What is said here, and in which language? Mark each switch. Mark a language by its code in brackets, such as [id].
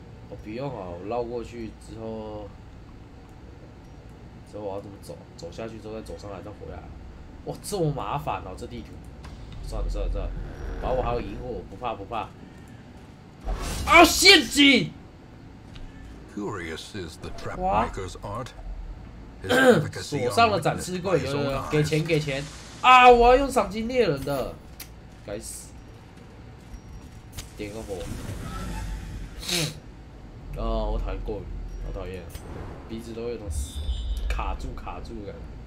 [zh] 哦，不用啊，我绕过去之后，之后我要怎么走？走下去之后再走上来，再回来。哇，这么麻烦哦，这地图。算了，反正我还有萤火，不怕。啊，陷阱！ [en] Curious is the trap maker's art. [zh] 锁上了展示柜，有给钱。啊，我要用赏金猎人的，该死。点个火。哦，我讨厌过敏，好讨厌，鼻子都有种卡住的感觉。